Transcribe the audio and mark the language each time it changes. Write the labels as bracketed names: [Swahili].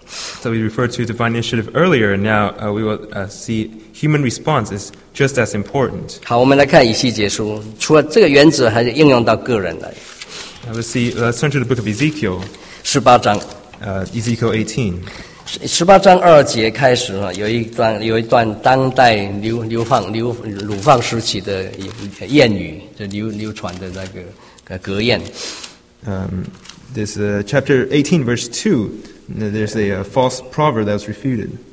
[English] So we referred to divine initiative earlier, and now we will see human response is just as important. [Chinese] 好，我们来看以西结书， 除了这个原则还是应用到个人来。 [English] Let's turn to the book of Ezekiel [Chinese] 18章。 [English] Ezekiel 18 [Chinese] 18章2节开始， 有一段当代流放时期的谚语，就流传的那个 [English] This chapter 18, verse 2, there's a false proverb that was refuted.